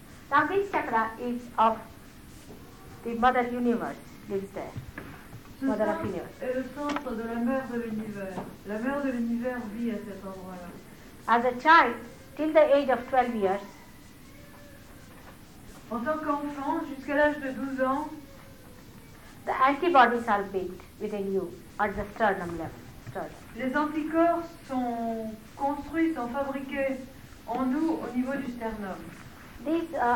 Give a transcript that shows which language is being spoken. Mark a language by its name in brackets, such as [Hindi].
[English] Now this chakra is of the mother universe. Lives there. [French] Et le centre de la mère de l'univers. La mère de l'univers vit à cet endroit-là. [English] As a child, till the age of 12 years. [French] En tant qu'enfant, jusqu'à l'âge de 12 ans. [English] The antibodies are built within you at the sternum level. Sternum. [French] Les anticorps sont construits, sont fabriqués en nous au niveau du sternum.